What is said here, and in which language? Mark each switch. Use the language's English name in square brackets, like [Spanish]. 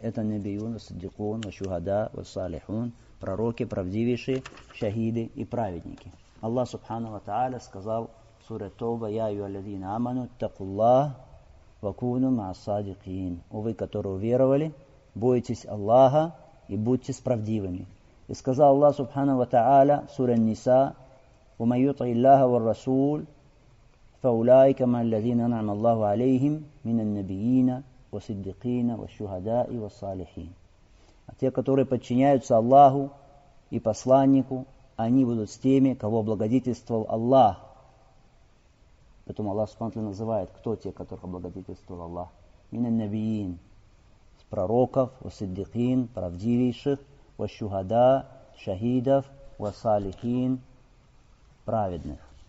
[Russian] Это набиюн, ас-сиддикун, ва-шухада, ва-салихун, пророки, правдивейшие, шахиды и праведники. Аллах Субхану ва Та'аля сказал в суре Тоба, я ю аллазина аману, таккуллах, вакуну ма-садикин. О вы, которые уверовали, бойтесь Аллаха и будьте с правдивыми. И сказал Аллах Субхану ва Та'аля в суре Ниса, [Arabic] وَمَنْ يُطِعِ اللَّهَ وَالرَّسُولَ فَأُولَئِكَ مَعَ الَّذِينَ أَنْعَمَ اللَّهُ عَلَيْهِمْ مِنَ النَّبِيِّينَ وَالصِّدِّيقِينَ وَالشُّهَدَاءِ وَالصَّالِحِينَ. [Russian] А те, которые подчиняются Аллаху и посланнику, они будут с теми, кого благодетельствовал Аллах. Поэтому Аллах Субханаху называет, кто те, которых благодетельствовал Аллах. [Arabic] مِنَ النَّبِيِّينَ, [Russian] с пророков, [Arabic] والصدقين, [Russian] правдивейших, [Arabic] والشهداء, [Russian] шахидов, [Arabic] والصالحين, [Russian] праведных.